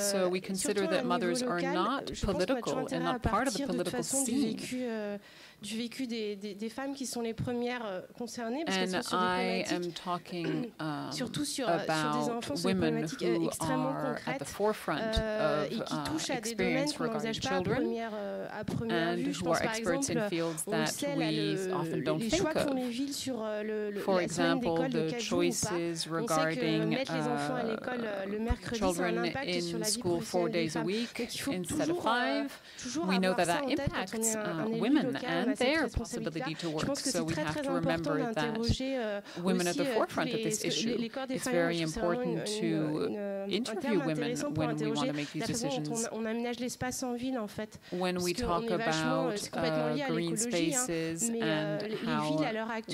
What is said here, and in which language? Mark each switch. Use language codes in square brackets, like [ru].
[en] So we consider that mothers are not political and not part of the political scene. [fr] Du vécu des femmes qui sont les premières concernées parce [en] and [fr] qu'elles sont sur des problématiques surtout sur des enfants sur des problématiques extrêmement concrètes et qui touchent à des domaines qu'on n'envisage pas à première vue. Je pense par exemple that on le sait là, les choix qu'ont les villes sur la semaine d'école de 4 jours ou pas. On sait que mettre les enfants à l'école le mercredi ça a un impact sur la vie professionnelle des femmes. Donc il faut toujours avoir ça en tête quand on est [en] their possibility to work. So we have to remember that women are at the forefront of this issue. It's very important to interview women when we want to make these decisions. When we talk about green spaces and how